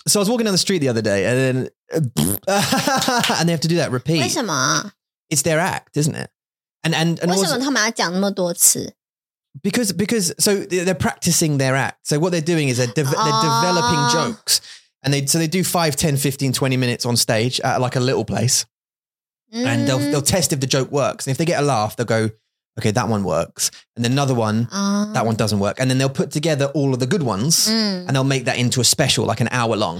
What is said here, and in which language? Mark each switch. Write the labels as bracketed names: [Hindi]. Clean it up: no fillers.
[English] So I was walking down the street the other day and then, and they have to do that repeat. [Chinese] 为什么? [English] It's their act, isn't it? And [Chinese] 为什么他们要讲那么多次? [English] Because so they're practicing their act. So what they're doing is they're developing jokes. And they do 5, 10, 15, 20 minutes on stage at like a little place. Mm. And they'll test if the joke works. And if they get a laugh, they'll go, okay, that one works. And then another one, that one doesn't work. And then they'll put together all of the good ones and they'll make that into a special, like an hour long.